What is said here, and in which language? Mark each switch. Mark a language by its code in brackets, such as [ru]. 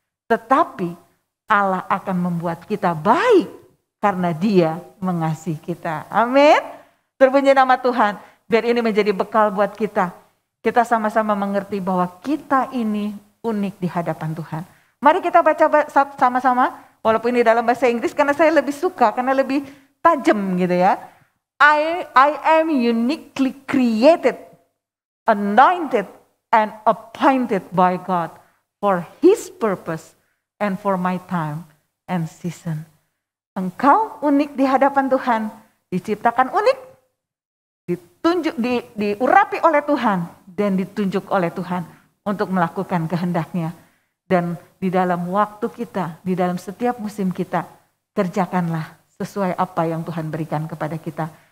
[id] Tetapi Allah akan membuat kita baik karena dia mengasihi kita. Amin. Terpuji nama Tuhan, biar ini menjadi bekal buat kita. Kita sama-sama mengerti bahwa kita ini unik di hadapan Tuhan. Mari kita baca sama-sama. Walaupun ini dalam bahasa Inggris karena saya lebih suka, karena lebih tajam gitu ya. [en] I am uniquely created, anointed and appointed by God for his purpose and for my time and season. [id] Engkau unik di hadapan Tuhan, diciptakan unik, diurapi oleh Tuhan dan ditunjuk oleh Tuhan untuk melakukan kehendaknya. Dan di dalam waktu kita, di dalam setiap musim kita, kerjakanlah sesuai apa yang Tuhan berikan kepada kita.